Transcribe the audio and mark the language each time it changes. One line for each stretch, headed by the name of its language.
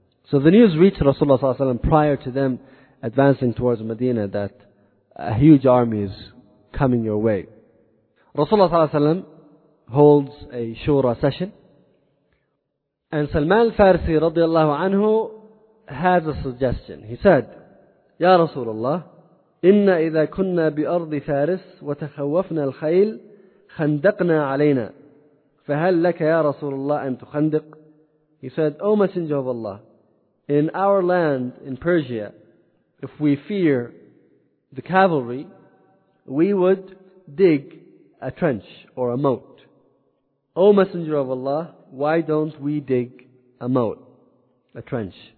English: So the news reached Rasulullah ﷺ prior to them advancing towards Medina that a huge army is coming your way. Rasulullah ﷺ holds a shura session, and Salman al-Farsi radiallahu anhu has a suggestion. He said,
Arabic: Ya Rasulullah, إن إذا كنا بأرض فارس وتخوفنا الخيل خندقنا علينا فهل لك يا رسول الله أن تخندق.
English: He said, O Messenger of Allah, in our land in Persia, if we fear the cavalry, we would dig a trench or a moat. O Messenger of Allah, why don't we dig a moat, a trench?